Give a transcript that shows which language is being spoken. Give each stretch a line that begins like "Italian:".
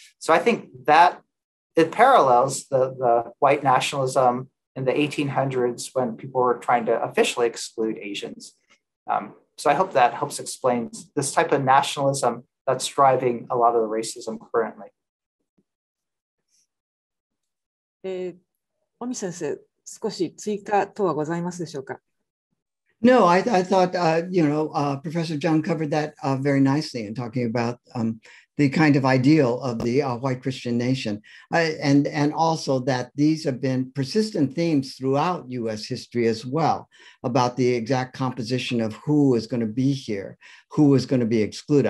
English: So I think that it parallels the white nationalism in the 1800s when people were trying to officially exclude Asians. So I hope that helps explain this type of nationalism that's driving a lot of the racism currently.
Japanese: Omi 先生、少し追加等はございますでしょうか?
English: No, I thought, Professor Jeung covered that very nicely in talking about the kind of ideal of the white Christian nation, and also that these have been persistent themes throughout U.S. history as well, about the exact composition of who is going to be here, who is going to be excluded.